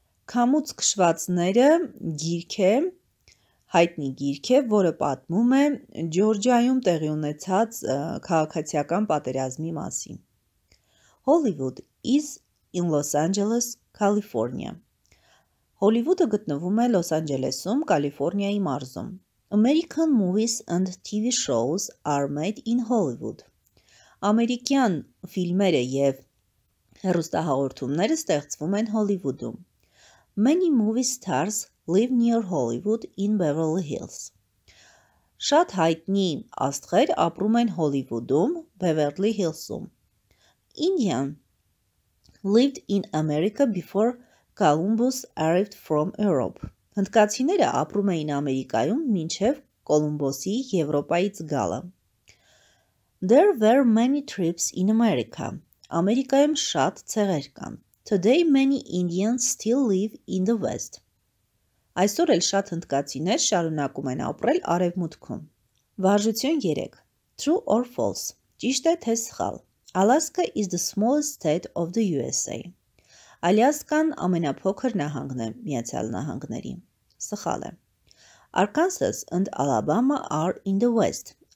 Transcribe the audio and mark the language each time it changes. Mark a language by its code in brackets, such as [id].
[hy] Քամուց քշվածները գիրք է, հայտնի գիրք է, որը պատմում է Ջորջիայում տեղի ունեցած քաղաքացիական պատերազմի մասին. [en] Hollywood is in Los Angeles, California. [hy] Հոլիվուդը գտնվում է Լոս Անջելեսում, Կալիֆոռնիայի մարզում. [en] American movies and TV shows are made in Hollywood. [hy] Ամերիկյան ֆիլմերը եւ հեռուստահաղորդումները ստեղծվում են Հոլիվուդում։ [en] Many movie stars live near Hollywood in Beverly Hills. [hy] Շատ հայտնի աստղեր ապրում են Հոլիվուդում, Beverly Hills-ում։ [en] Indian lived in America before Columbus arrived from Europe. [hy] Հնդկացիները ապրում էին Ամերիկայում մինչև Կոլումբոսի Եվրոպայից գալը։ [en] There were many tribes in America. [hy] Ամերիկայում շատ ցեղեր կան. Today many Indians still live in the West. Այսօր էլ շատ հնդկացիներ շարունակում են ապրել արևմուտքում։ Վարժություն 3. [en] True or false. [hy] Ճիշտ է թե սխալ. [en] Alaska is the smallest state of the USA. [hy] Ալյասկան ամենափոքր նահանգն է Միացյալ Նահանգների։ Սխալ է։ [en] Arkansas and Alabama are in the West.